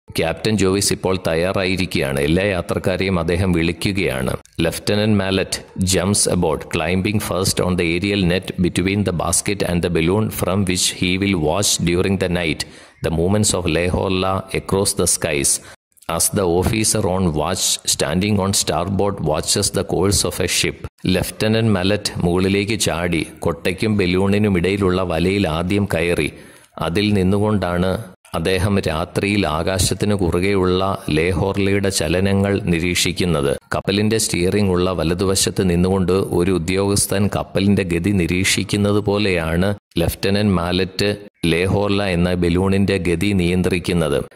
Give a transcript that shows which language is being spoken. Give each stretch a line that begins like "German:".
Malayalam: Captain Jovees ഇപ്പോൾ തയ്യാറായിരിക്കുകയാണ്, എല്ലാ യാത്രക്കാരെയും അദ്ദേഹം വിളിക്കുകയാണ്.
English: Lieutenant Mallet jumps aboard, climbing first on the aerial net between the basket and the balloon, from which he will watch during the night the movements of Le Horla across the skies. As the officer on watch, standing on starboard, watches the course of a ship.
Malayalam: Lieutenant Mallet മുകളിലേക്ക് ചാടി കൊട്ടയ്ക്കും ബലൂണിനും ഇടയിലുള്ള വലയിൽ ആദ്യം കയറി. അതിൽ നിന്നുകൊണ്ടാണ് അദ്ദേഹം രാത്രിയിൽ ആകാശത്തിന് കുറുകെയുള്ള ലെഹോർലയുടെ ചലനങ്ങൾ നിരീക്ഷിക്കുന്നത്. കപ്പലിൻ്റെ സ്റ്റിയറിംഗ് ഉള്ള വലതുവശത്ത് നിന്നുകൊണ്ട് ഒരു ഉദ്യോഗസ്ഥൻ കപ്പലിൻ്റെ ഗതി നിരീക്ഷിക്കുന്നത് പോലെയാണ് ലെഫ്റ്റനന്റ് മാലറ്റ് ലെഹോർല എന്ന ബലൂണിൻ്റെ ഗതി നിയന്ത്രിക്കുന്നത്.